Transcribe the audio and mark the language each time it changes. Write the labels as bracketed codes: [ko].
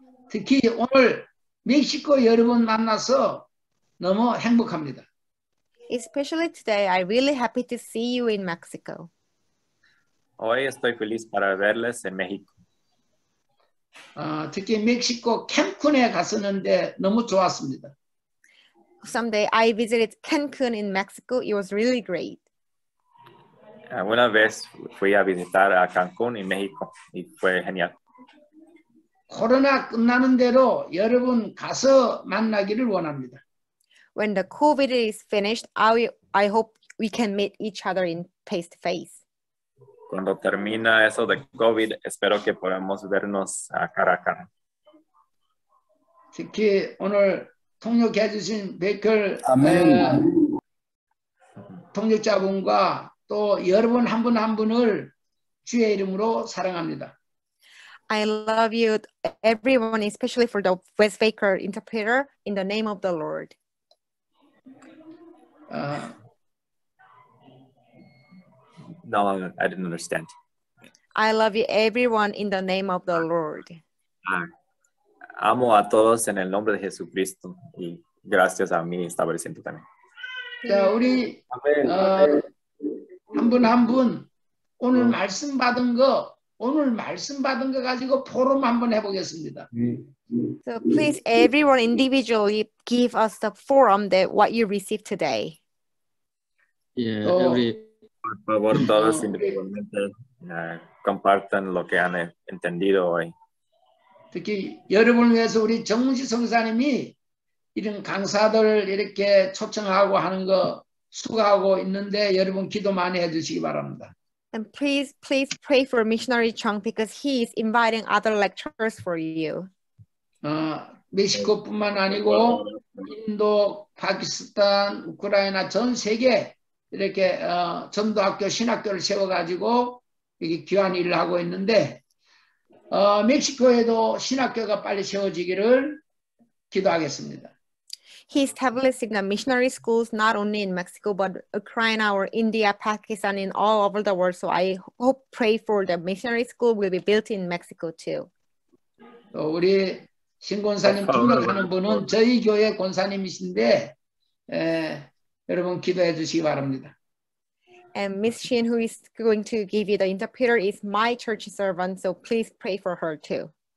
[ko] 특히 오늘 멕시코 여러분 만나서 너무 행복합니다. [en] Especially today, I'm really happy to see you in Mexico. [es] Hoy estoy feliz para verles en México. [ko] 특히 멕시코 캔쿤에 갔었는데 너무 좋았습니다. [en] Someday I visited Cancun in Mexico. It was really great. [es] Una vez fui a visitar a Cancún en México y fue genial. [ko] 코로나 끝나는 대로 여러분 가서 만나기를 원합니다. [en] When the COVID is finished, I hope we can meet each other in face to face. [es] Cuando termina eso de COVID, espero que podamos vernos a cara a cara. [ko] 특히 오늘 통역해 주신 베클 통역자분과 또 여러분 한 분 한 분을 주의 이름으로 사랑합니다. [en] I love you, everyone, especially for the West Baker interpreter, in the name of the Lord. No, I didn't understand. I love you, everyone, in the name of the Lord. [es] Amo a todos en el nombre de Jesucristo y gracias a mí está presente también. [ko] 자, 우리 한 분 한 분 오늘 말씀 받은 거 오늘 말씀 받은 거 가지고 포럼 한번 해보겠습니다. [en] So please, everyone individually give us the forum that what you received today. Yeah, oh. Every... [es] Por favor, todos individualmente compartan lo que han entendido hoy. [ko] 특히 여러분을 위해서 우리 정문식 성사님이 이런 강사들 이렇게 초청하고 하는 거 수고하고 있는데 여러분 기도 많이 해주시기 바랍니다. [en] And please, please pray for Missionary Chung because he is inviting other lecturers for you. [ko] 멕시코뿐만 아니고 인도, 파키스탄, 우크라이나 전 세계 이렇게 전도학교, 신학교를 세워가지고 이렇게 귀한 일을 하고 있는데 멕시코에도 신학교가 빨리 세워지기를 기도하겠습니다. [en] He establishing a missionary schools not only in Mexico but Ukraine or India, Pakistan and all over the world. So I hope pray for the missionary school will be built in Mexico too. [ko] 우리 신권사님 등록하는 분은 저희 교회 권사님이신데 여러분 기도해 주시기 바랍니다. [en] And Miss Shin, who is going to give you the interpreter, is my church servant, so please pray for her too.